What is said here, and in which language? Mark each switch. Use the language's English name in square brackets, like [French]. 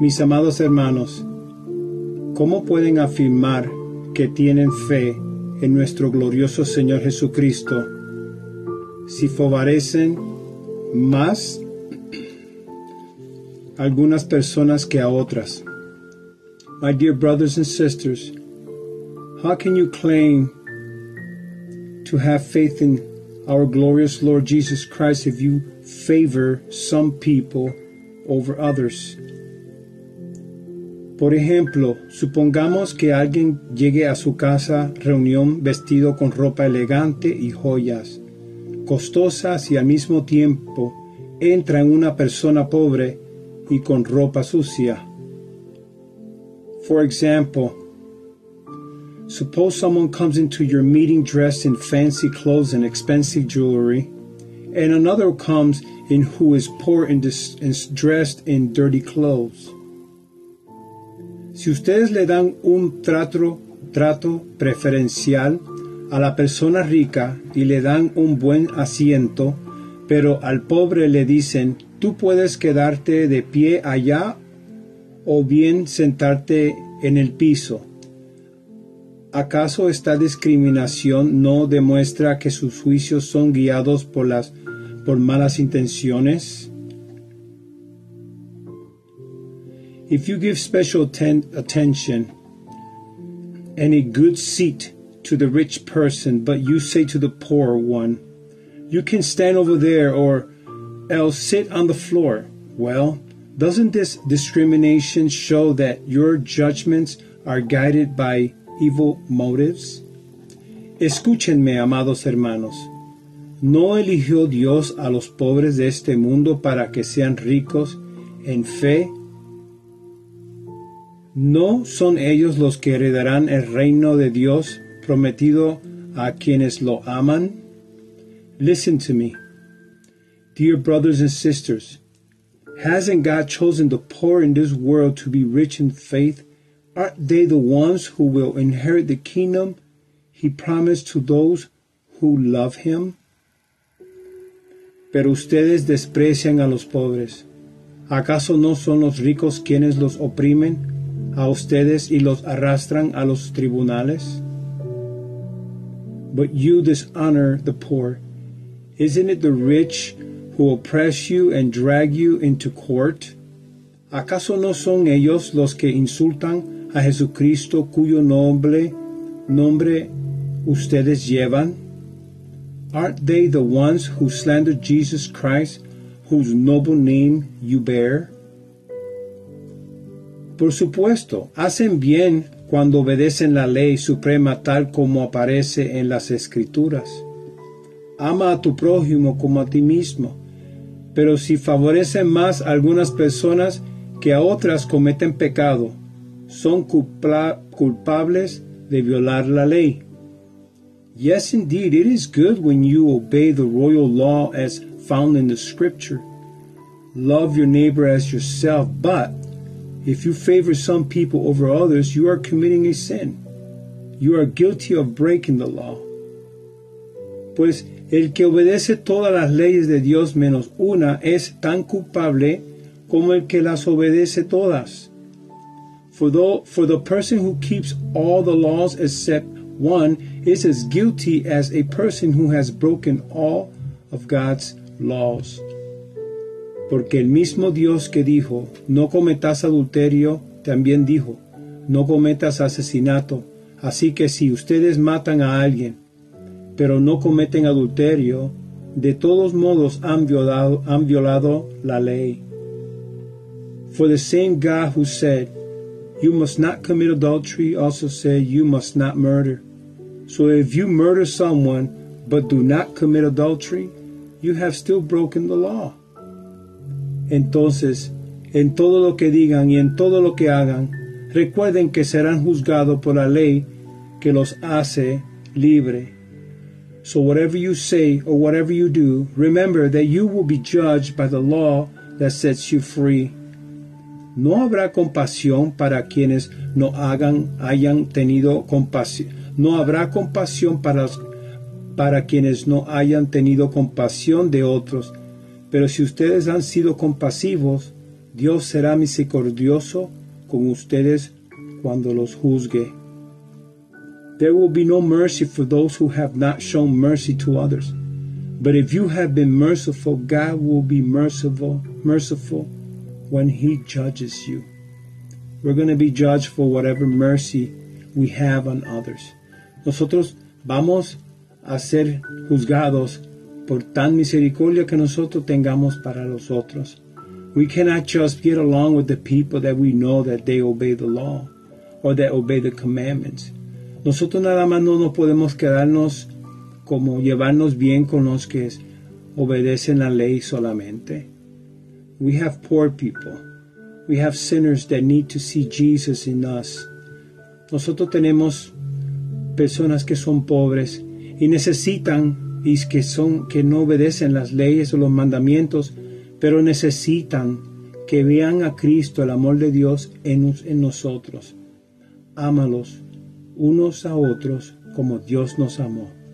[Spanish] Mis amados hermanos, ¿cómo pueden afirmar que tienen fe en nuestro glorioso Señor Jesucristo si favorecen más a algunas personas que a otras? [English] My dear brothers and sisters, how can you claim to have faith in our glorious Lord Jesus Christ if you favor some people over others? [Spanish] Por ejemplo, supongamos que alguien llegue a su casa reunión vestido con ropa elegante y joyas costosas y al mismo tiempo entra en una persona pobre y con ropa sucia. [English] For example, suppose someone comes into your meeting dressed in fancy clothes and expensive jewelry, and another comes in who is poor and dressed in dirty clothes. [Spanish] Si ustedes le dan un trato preferencial a la persona rica y le dan un buen asiento, pero al pobre le dicen, tú puedes quedarte de pie allá o bien sentarte en el piso. ¿Acaso esta discriminación no demuestra que sus juicios son guiados por malas intenciones? [English] If you give special attention and a good seat to the rich person, but you say to the poor one, you can stand over there or else sit on the floor. Well, doesn't this discrimination show that your judgments are guided by evil motives? [Spanish] Escúchenme, amados hermanos. ¿No eligió Dios a los pobres de este mundo para que sean ricos en fe? ¿No son ellos los que heredarán el reino de Dios prometido a quienes lo aman? [English] Listen to me. Dear brothers and sisters, hasn't God chosen the poor in this world to be rich in faith? Aren't they the ones who will inherit the kingdom he promised to those who love him? [Spanish] Pero ustedes desprecian a los pobres. ¿Acaso no son los ricos quienes los oprimen a ustedes y los arrastran a los tribunales? [English] But you dishonor the poor. Isn't it the rich who oppress you and drag you into court? [Spanish] ¿Acaso no son ellos los que insultan a Jesucristo cuyo nombre ustedes llevan? [English] Aren't they the ones who slander Jesus Christ, whose noble name you bear? [Spanish] Por supuesto, hacen bien cuando obedecen la ley suprema tal como aparece en las Escrituras. Ama a tu prójimo como a ti mismo. Pero si favorecen más a algunas personas que a otras, cometen pecado, son culpables de violar la ley. [English] Yes, indeed, it is good when you obey the royal law as found in the scripture. Love your neighbor as yourself, but if you favor some people over others, you are committing a sin. You are guilty of breaking the law. [Spanish] Pues el que obedece todas las leyes de Dios menos una es tan culpable como el que las obedece todas. [English] For the person who keeps all the laws except one is as guilty as a person who has broken all of God's laws. [Spanish] Porque el mismo Dios que dijo, no cometas adulterio, también dijo, no cometas asesinato. Así que si ustedes matan a alguien, pero no cometen adulterio, de todos modos han violado la ley. [English] For the same God who said, you must not commit adultery, also said, you must not murder. So if you murder someone, but do not commit adultery, you have still broken the law. [Spanish] Entonces, en todo lo que digan y en todo lo que hagan, recuerden que serán juzgados por la ley que los hace libre. [English] So whatever you say or whatever you do, remember that you will be judged by the law that sets you free. [Spanish] No habrá compasión para quienes no hayan tenido compasión. No habrá compasión para quienes no hayan tenido compasión de otros. Pero si ustedes han sido compasivos, Dios será misericordioso con ustedes cuando los juzgue. [English] There will be no mercy for those who have not shown mercy to others. But if you have been merciful, God will be merciful when He judges you. We're going to be judged for whatever mercy we have on others. [Spanish] Nosotros vamos a ser juzgados por tan misericordia que nosotros tengamos para los otros. [English] We cannot just get along with the people that we know that they obey the law or that obey the commandments. [Spanish] Nosotros nada más no nos podemos quedarnos como llevarnos bien con los que obedecen la ley solamente. [English] We have poor people. We have sinners that need to see Jesus in us. [Spanish] Nosotros tenemos personas que son pobres y necesitan y que no obedecen las leyes o los mandamientos, pero necesitan que vean a Cristo, el amor de Dios en nosotros. Ámalos unos a otros como Dios nos amó.